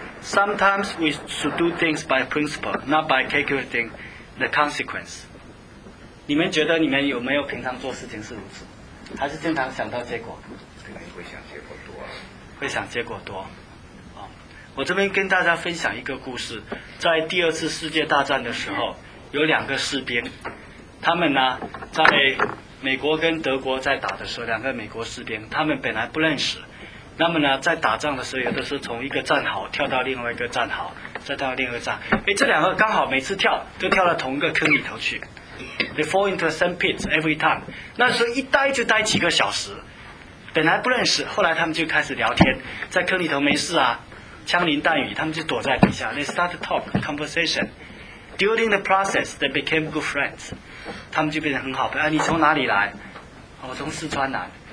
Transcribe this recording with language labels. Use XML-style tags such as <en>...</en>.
<en>Sometimes we should do things by principle, not by calculating the consequence.</en> <zh>你们觉得你们有没有平常做事情是如此？还是经常想到结果？肯定会想结果多。会想结果多。我这边跟大家分享一个故事。在第二次世界大战的时候，有两个士兵，他们呢在美国跟德国在打的时候，两个美国士兵，他们本来不认识，那么呢在打仗的时候，有的是从一个战壕跳到另外一个战壕，再跳到另外一个战，哎，这两个刚好每次跳都跳到同一个坑里头去。</zh> <en>They fall into the same pit every time.</en> <zh>那时候一待就待几个小时，本来不认识，后来他们就开始聊天，在坑里头没事啊，枪林弹雨，他们就躲在底下。</zh> <en>They start to talk conversation. During the process, they became good friends.</en> <zh>他们就变成很好朋友。哎，你从哪里来？哦，我从四川来。</zh>